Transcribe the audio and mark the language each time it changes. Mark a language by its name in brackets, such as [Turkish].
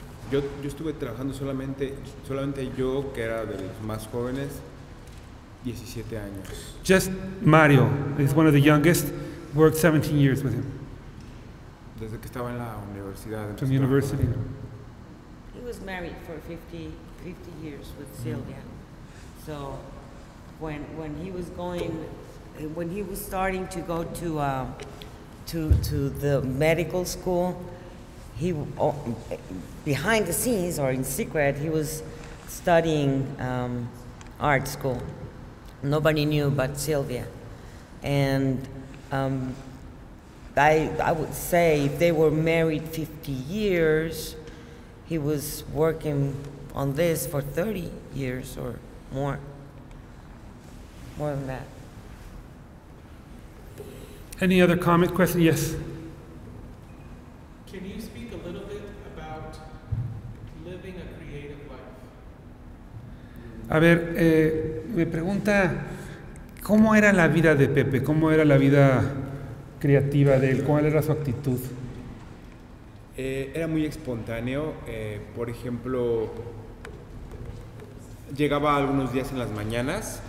[Spanish] Yo estuve trabajando solamente yo, que era de los más jóvenes, 17 años. [English] Just Mario, he's one of the youngest, worked 17 years with him. [Spanish] Desde que estaba en la universidad. [English] From the university. He was married for 50 years with Sylvia. Mm-hmm. So when he was starting to go to the medical school, he, behind the scenes or in secret, he was studying art school. Nobody knew but Sylvia. And I would say if they were married 50 years, he was working on this for 30 years or more. More than that. Any other comment, question? Yes. Can you speak a little bit about living a creative life? [Spanish] A ver, me pregunta, ¿cómo era la vida de Pepe? ¿Cómo era la vida creativa de él? ¿Cuál era su actitud? Era muy espontáneo. Por ejemplo, llegaba algunos días en las mañanas.